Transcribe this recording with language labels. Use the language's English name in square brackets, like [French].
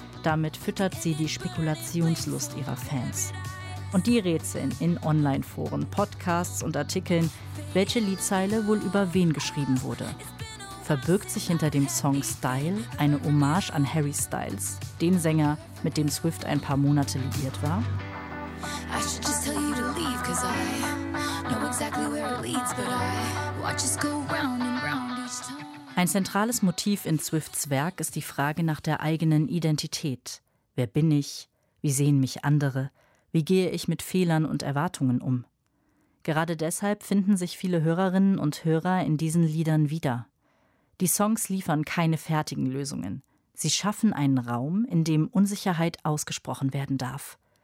[German] Damit füttert sie die Spekulationslust ihrer Fans. Und die rätseln in Online-Foren, Podcasts und Artikeln, welche Liedzeile wohl über wen geschrieben wurde. Verbirgt sich hinter dem Song Style eine Hommage an Harry Styles, den Sänger, mit dem Swift ein paar Monate liiert war? [English] I should just tell you to leave, 'cause I know exactly where it leads, but I watch us go round and round each time. [German] Ein zentrales Motiv in Swifts Werk ist die Frage nach der eigenen Identität. Wer bin ich? Wie sehen mich andere? Wie gehe ich mit Fehlern und Erwartungen um? Gerade deshalb finden sich viele Hörerinnen und Hörer in diesen Liedern wieder. Die Songs liefern keine fertigen Lösungen. Sie schaffen einen Raum, in dem Unsicherheit ausgesprochen werden darf.